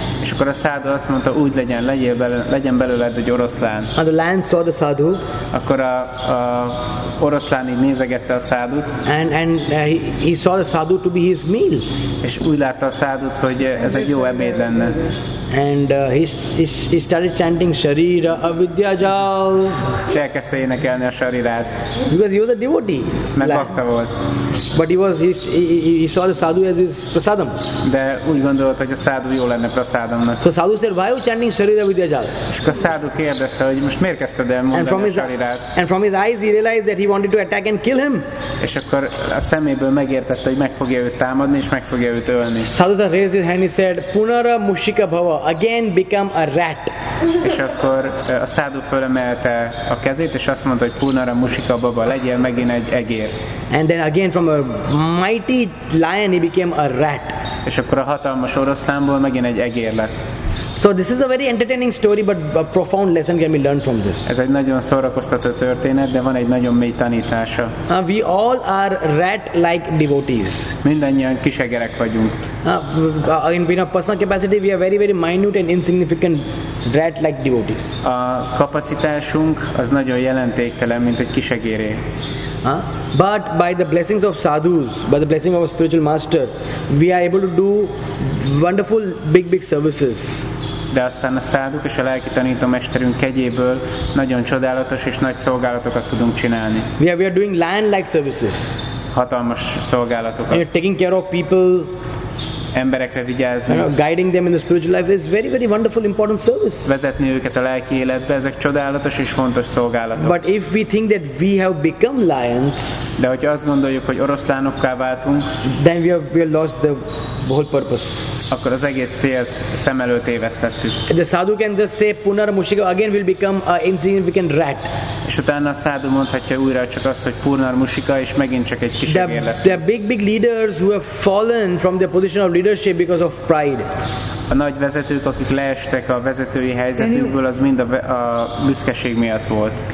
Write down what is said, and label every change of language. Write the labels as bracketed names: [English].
[Hungarian] És akkor a sadhu azt mondta, úgy legyen, legyen belőled egy oroszlán. [English] And the lion saw the sadhu. [Hungarian] Akkor a oroszlán így nézegette a sadhut. [English] And he saw the sadhu to be his meal. [Hungarian] És úgy látta a sadhut, hogy ez egy jó ebéd lenne. [English] And he started chanting [Sanskrit] sharira avidya jal. [Hungarian] És elkezdte énekelni a sharirát. [English] Because he was a devotee. [Hungarian] Mert bhakta volt. [English] But he saw the sadhu as his prasadam. [Hungarian] De úgy gondolta, hogy a sadhu jó lenne prasadamnak. [English] So sadhu said, why are you chanting [Sanskrit] sharira avidya jal? [Hungarian] És a sadhu kérdezte, hogy most miért kezdted el mondani a sharirát. [English] And from his eyes he realized that he wanted to attack and kill him. [Hungarian] És akkor a szeméből megértette, hogy meg fogja őt támadni, és meg fogja őt ölni. [English] Sadhu raised his hand, he said, [Sanskrit] punara mushika bhava, [English] again become a rat. [Hungarian] És akkor a sadhu fölemelte a kezét, és azt mondta, hogy [Sanskrit] punara mushika bhava, [Hungarian] legyél megint egy egér. [English] And then again from a mighty lion he became a rat. [Hungarian] És akkor a hatalmas oroszlánból megint egy egér lett. [English] So this is a very entertaining story, but a profound lesson can be learned from this. [Hungarian] Ez egy nagyon szórakoztató történet, de van egy nagyon mély tanítása. [English] We all are rat-like devotees. [Hungarian] Mindannyian kisegerek vagyunk. [English] In a personal capacity, we are very, very minute and insignificant rat-like devotees. [Hungarian] A kapacitásunk az nagyon jelentéktelen, mint egy kisegéré. [English] But by the blessings of sadhus, by the blessing of a spiritual master, we are able to do wonderful, big, big services. [Hungarian] De aztán a száduk és a lelki tanító mesterünk kegyéből nagyon csodálatos és nagy szolgálatokat tudunk csinálni. [English] We are doing lion-like services. [Hungarian] Hatalmas szolgálatokat. [English] We are taking care of people. [Hungarian] Emberekre vigyázni. [English] You know, guiding them in the spiritual life is very, very wonderful, important service. [Hungarian] Vezetni őket a lelki életbe, ezek csodálatos és fontos szolgálatok. [English] But if we think that we have become lions, [Hungarian] de hogyha azt gondoljuk, hogy oroszlánokká váltunk, [English] then we have lost the whole purpose. [Hungarian] Akkor az egész célt szem előtt évesztettük. [English] The sadhu can just say punar mushika, again we'll become an insignificant rat. [Hungarian] És utána a sadhu mondhatja újra csak azt, hogy punar mushika, és megint csak egy kis egér lesz. [English] The big, big leaders who have fallen from their position of leadership because of pride. [Hungarian] A nagy vezetők, akik leestek a vezetői helyzetükből, az mind a büszkeség miatt volt.